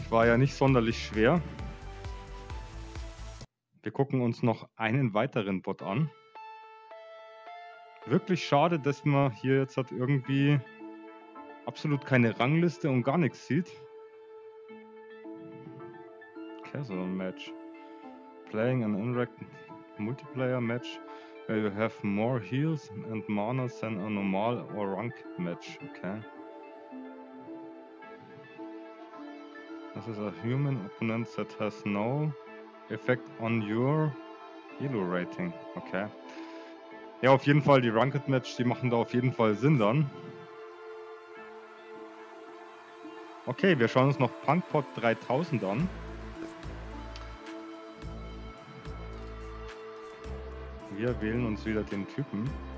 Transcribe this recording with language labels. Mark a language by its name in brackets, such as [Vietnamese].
[German] War ja nicht sonderlich schwer. Wir gucken uns noch einen weiteren Bot an. Wirklich schade, dass man hier jetzt halt irgendwie absolut keine Rangliste und gar nichts sieht. [English] Casual Match. Playing an unranked Multiplayer Match, where you have more heals and mana than a normal or ranked match. Okay. This is a human opponent that has no effect on your Elo Rating. Okay. [German] Ja, auf jeden Fall, die Ranked Match, die machen da auf jeden Fall Sinn dann. Okay, wir schauen uns noch Punkpot 3000 an. Wir wählen uns wieder den Typen.